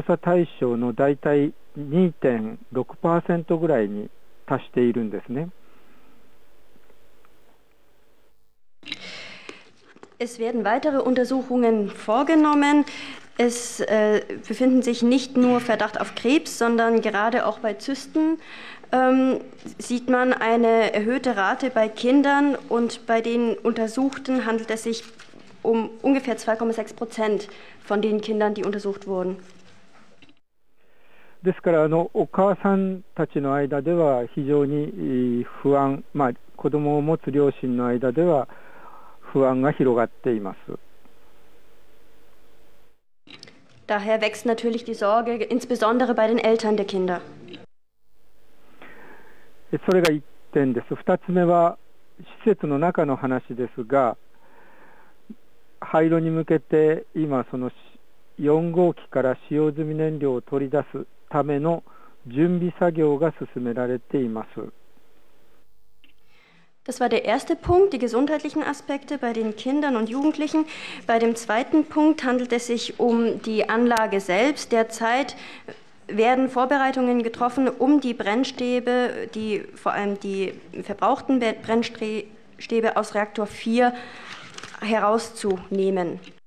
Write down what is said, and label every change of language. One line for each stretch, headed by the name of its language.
Japanese: それで、追加してさらに調査が進んでいますが、調査が進むにつれて、がんの患者についてはまだ公表されていないのですが、甲状腺の結節あるいはその嚢胞といったゼリー状のなんかこうものがたまる、そういう子どもたちの数というのが非常に高くて、調査対象の大体 2.6% ぐらいに達しているんですね。Es
German: werden weitere Untersuchungen vorgenommen. Es befinden sich nicht nur Verdacht auf Krebs, sondern gerade auch bei Zysten sieht man eine erhöhte Rate bei Kindern und bei den Untersuchten handelt es sich um ungefähr 2,6% von den Kindern, die untersucht wurden.
Japanese: ですから、お母さんたちの間では非常に不安、子供を持つ両親の間では不安が広がっています。
German: Daher wächst natürlich die Sorge, insbesondere bei den Eltern der Kinder.
Japanese: それが 1点 です。 2つ目は 施設の中の話ですが、 廃炉に向けて今その 4号機から使用済み燃料を取り出すための準備作業が進められています。
German: Das war der erste Punkt, die gesundheitlichen Aspekte bei den Kindern und Jugendlichen. Bei dem zweiten Punkt handelt es sich um die Anlage selbst. Derzeit werden Vorbereitungen getroffen, um die Brennstäbe, die vor allem die verbrauchten Brennstäbe aus Reaktor 4 herauszunehmen.